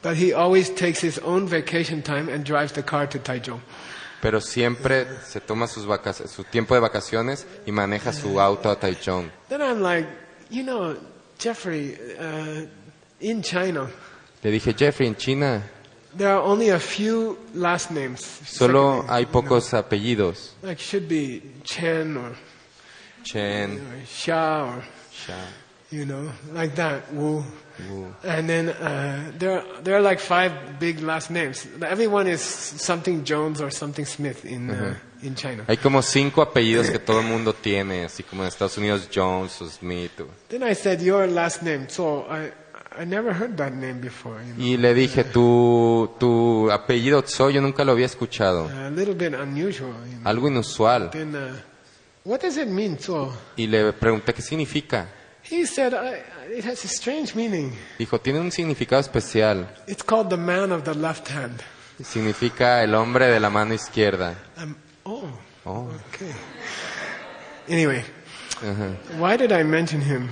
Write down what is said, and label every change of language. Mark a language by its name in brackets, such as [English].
[English] But he always takes his own vacation time and drives the car to Taichung. [Spanish] Pero siempre se toma su tiempo de vacaciones y maneja su auto a Taichung. [English] Then I'm like, you know, Jeffrey, in China. [Spanish] Le dije, Jeffrey, en China. [English] There are only a few last names. [Spanish] Solo hay pocos apellidos. [English] Like should be Chen or. [Spanish] Chen, [English] Xiao, you know, like that, Wu. And then there are like five big last names. Everyone is something Jones or something Smith in China. [Spanish] Hay como cinco apellidos que todo el mundo tiene, así como en Estados Unidos Jones o Smith. [English] Then I said your last name. So I never heard that name before. You know? [Spanish] Y le dije tu apellido Tso, yo nunca lo había escuchado. [English] A little bit unusual. You know? [Spanish] Algo inusual. [English] Then, what does it mean, Tso? [Spanish] Y le pregunté qué significa. [English] He said, it has a strange meaning. [Spanish] Dijo, tiene un significado especial. [English] It's called the man of the left hand. [Spanish] Significa el hombre de la mano izquierda. [English] Okay. Anyway, why did I mention him?